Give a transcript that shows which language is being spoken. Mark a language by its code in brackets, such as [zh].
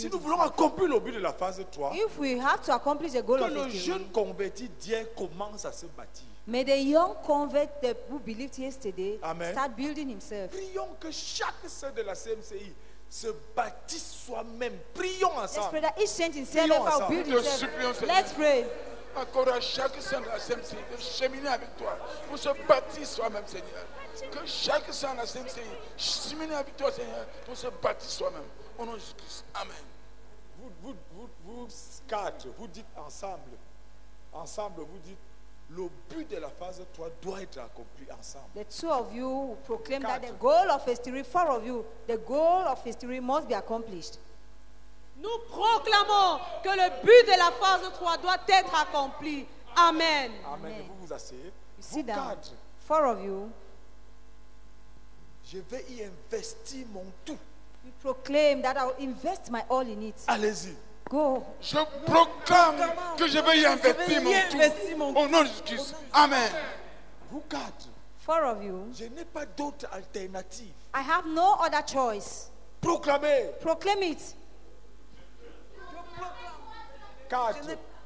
[fr] Si nous voulons [en] himself. [fr] Accomplir le but de la phase 3, [en] if we have to accomplish the goal [fr] que [en] of [fr] le jeune converti Dieu commence à se bâtir. [en] May the young convert who believed yesterday Amen. Start building himself. [fr] Prions que chaque saint de la CMCI se bâtisse soi-même. Prions ensemble. [en] Let's pray that each saint in CMFI will build himself. Let's pray. [fr] Encore à chaque saint de la CMCI de cheminer avec toi pour se bâtir soi-même, Seigneur. Que chaque saint de la CMCI chemine avec toi, Seigneur, pour se bâtir soi-même. Au nom de Jésus-Christ. Amen. Vous quatre, vous dites ensemble. Ensemble, vous dites. Le but de la phase 3 doit être accompli ensemble. [en] The two of you proclaim that the goal of phase 3, four of you, the goal of phase 3 must be accomplished. [fr] Nous proclamons que le but de la phase 3 doit être accompli. Amen. Amen. Amen. Vous vous asseyez. [en] You [fr] vous [en] sit [fr] quatre. [en] Down. Four of you. [fr] Je vais y investir mon tout. [en] You proclaim that I will invest my all in it. [fr] Allez-y. [en] Go. [fr] Je proclame que je vais y investir mon tout. Au nom de Jésus. Amen. Vous quatre. [en] Four of you. [fr] Je n'ai pas d'autre alternative. [en] I have no other choice. [fr] Proclamez. [en] Proclaim it. [fr] Je proclame. Quatre.